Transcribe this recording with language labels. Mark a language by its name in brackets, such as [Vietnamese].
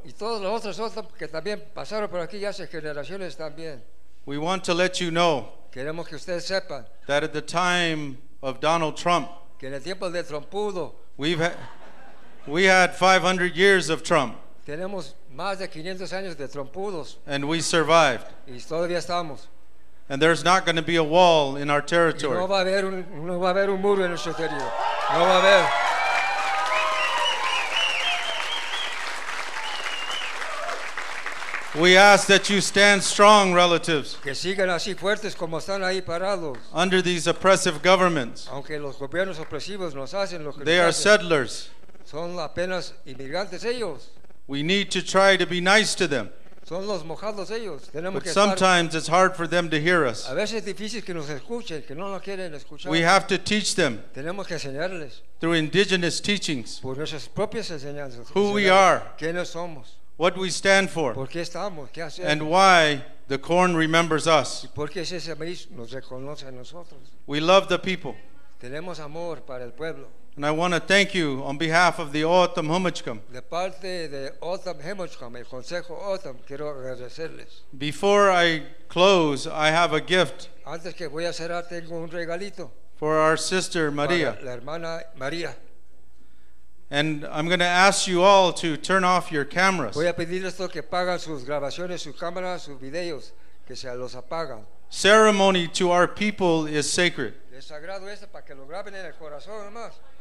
[Spanish] Y todos los otros Autumn que también pasaron por aquí hace generaciones también. [English] We want to let you know [Spanish] queremos que ustedes sepan [English] that at the time of Donald Trump, [Spanish] que en el tiempo de Trumpudo, [English] we had 500 years of Trump. [Spanish] Tenemos más de 500 años de Trumpudos. [English] And we survived. [Spanish] Y todavía estamos. [English] And there's not going to be a wall in our territory. [Spanish] Y no va a haber un muro en nuestro territorio. No va a haber. [English] We ask that you stand strong, relatives, [Spanish] que sigan así fuertes como están ahí parados, [English] under these oppressive governments. [Spanish] Aunque los gobiernos opresivos nos hacen lo que [English] they [Spanish] nos [English] are [Spanish] hacen. [English] Settlers. [Spanish] Son apenas inmigrantes ellos. [English] We need to try to be nice to them. [Spanish] Son los mojados ellos. Tenemos [English] but [Spanish] que [English] sometimes [Spanish] estar, [English] it's hard for them to hear us. [Spanish] A veces es difícil que nos escuchen, que no nos quieren escuchar. [English] We have to teach them [Spanish] tenemos que enseñarles [English] through indigenous teachings [Spanish] por nuestras propias enseñanzas, [English] who we are. [Spanish] Quiénes somos. [English] What we stand for, [Spanish] ¿por qué estamos? ¿Qué hacemos? [English] And why the corn remembers us. [Spanish] ¿Y por qué ese maíz nos reconoce a nosotros? [English] We love the people. [Spanish] Tenemos amor para el pueblo. [English] And I want to thank you on behalf of the Autumn Humichcam. [Spanish] De parte de Autumn Humichcam, el Consejo Autumn, quiero agradecerles. [English] Before I close, I have a gift. [Spanish] Antes que voy a cerrar, tengo un regalito. [English] For our sister Maria. [Spanish] Para la hermana María. [English] And I'm going to ask you all to turn off your cameras. [Spanish] Voy a pedirles que apaguen sus grabaciones, sus cámaras, sus videos, que se los apagan. [English] Ceremony to our people is sacred. [Spanish] Es sagrado esto para que lo graben en el corazón nomás.